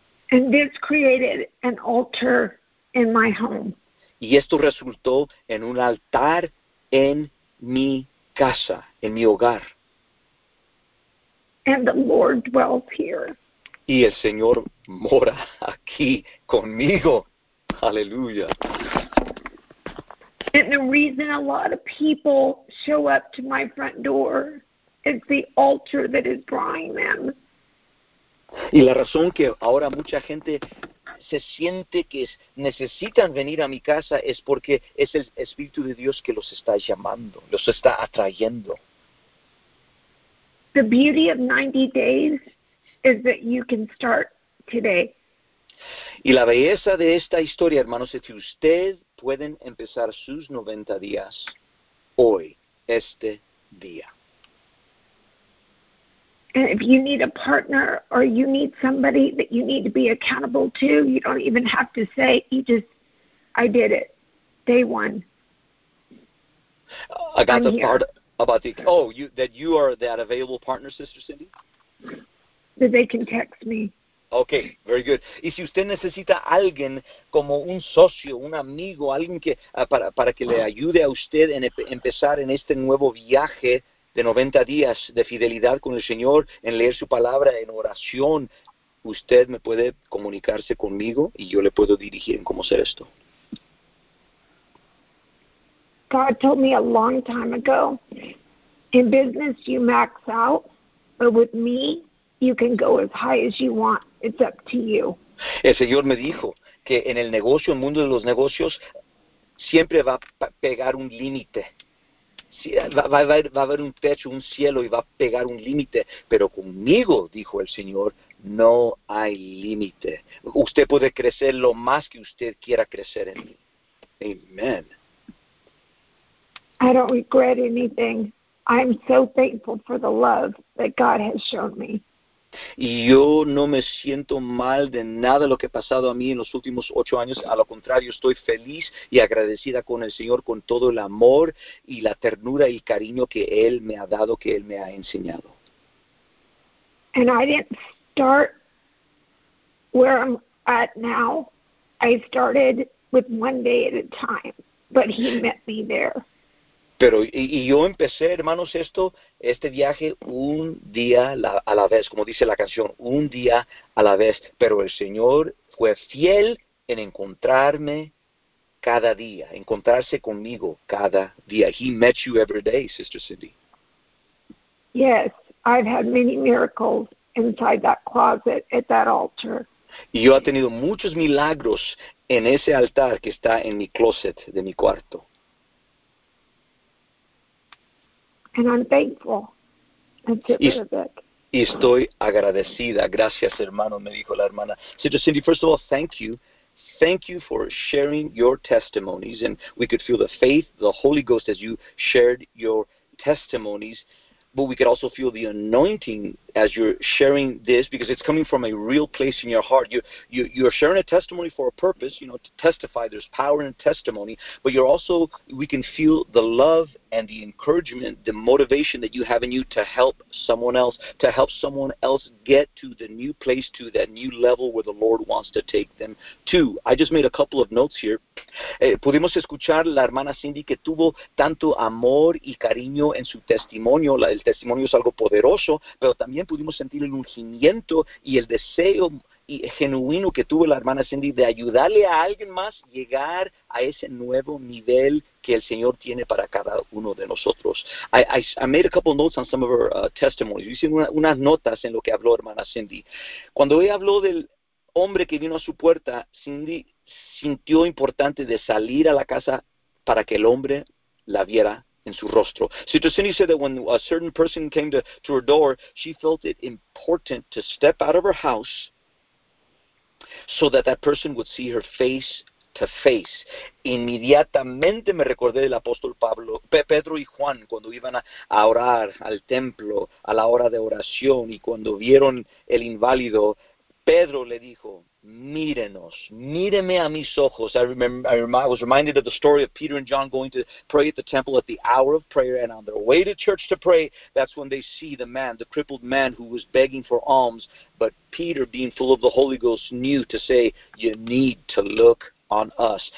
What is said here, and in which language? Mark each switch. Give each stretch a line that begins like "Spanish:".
English: And this created an altar in my home.
Spanish: Y esto resultó en un altar en mi casa, en mi hogar.
English: And the Lord dwells here.
Spanish: Y el Señor mora aquí conmigo. Aleluya.
English: And the reason a lot of people show up to my front door is the altar that is drawing them.
Spanish: Y la razón que ahora mucha gente se siente que necesitan venir a mi casa es porque es el Espíritu de Dios que los está llamando, los está atrayendo.
English: The beauty of 90 days is that you can start today.
Spanish: Y la belleza de esta historia, hermanos, es que ustedes pueden empezar sus 90 días hoy, este día.
English: And if you need a partner or you need somebody that you need to be accountable to, you don't even have to say, you just, I did it, day one. I got the part about the, that you are that available partner, Sister Cindy? That they can text me. Okay, very good.
Spanish: Y si usted necesita alguien como un socio, un amigo, alguien que para que le ayude a usted en empezar en este nuevo viaje, de 90 días de fidelidad con el Señor, en leer su palabra, en oración, usted me puede comunicarse conmigo y yo le puedo dirigir en cómo hacer esto.
English: God told me a long time ago, in business you max out, but with me you can go as high as you want. It's up to you.
Spanish: El Señor me dijo que en el negocio, en el mundo de los negocios, siempre va a pegar un límite. Sí, va a haber un techo, un cielo, y va a pegar un límite. Pero conmigo, dijo el Señor, no hay límite. Usted puede crecer lo más que usted quiera crecer en mí.
English: Amen. I don't regret anything. I'm so thankful for the love that God has shown me.
Spanish: y yo no me siento mal de nada de lo que ha pasado a mí en los últimos 8 años. A lo contrario, estoy feliz y agradecida con el Señor, con todo el amor y la ternura y cariño que Él me ha dado, que Él me ha enseñado.
English: And I didn't start where I'm at now. I started with one day at a time, but He met me there.
Spanish: Pero y yo empecé, hermanos, esto, este viaje un día a la vez, como dice la canción, un día a la vez. Pero el Señor fue fiel en encontrarme cada día, encontrarse conmigo cada día.
English: He met you every day, Sister Cindy. Yes, I've had many miracles inside that closet at that altar.
Spanish: Y yo he tenido muchos milagros en ese altar que está en mi closet de mi cuarto.
English: And I'm thankful.
Spanish: Y estoy agradecida. Gracias, hermano, me dijo la hermana.
English: Sister Cindy, first of all, thank you. Thank you for sharing your testimonies. And we could feel the faith, the Holy Ghost, as you shared your testimonies. But we could also feel the anointing as you're sharing this, because it's coming from a real place in your heart. You're sharing a testimony for a purpose, you know, to testify. There's power in testimony. But you're also, we can feel the love and the encouragement, the motivation that you have in you to help someone else, to help someone else get to the new place, to that new level where the Lord wants to take them to. I just made a couple of notes here.
Spanish: Pudimos escuchar la hermana Cindy que tuvo tanto amor y cariño en su testimonio. El testimonio es algo poderoso, pero también pudimos sentir el ungimiento y el deseo y genuino que tuvo la hermana Cindy de ayudarle a alguien más llegar a ese nuevo nivel que el Señor tiene para cada uno de nosotros.
English: I made a couple notes on some of her testimonies.
Spanish: Yo hice unas notas en lo que habló hermana Cindy. Cuando ella habló del hombre que vino a su puerta, Cindy sintió importante de salir a la casa para que el hombre la viera en su rostro.
English: Sister Cindy said that when a certain person came to her door, she felt it important to step out of her house so that that person would see her face to face.
Spanish: Inmediatamente me recordé del apóstol Pablo, Pedro y Juan, cuando iban a orar al templo a la hora de oración y cuando vieron el inválido, Pedro le dijo, mírenos, míreme a mis ojos.
English: I was reminded of the story of Peter and John going to pray at the temple at the hour of prayer, and on their way to church to pray, that's when they see the man, the crippled man who was begging for alms. But Peter, being full of the Holy Ghost, knew to say, you need to look on us.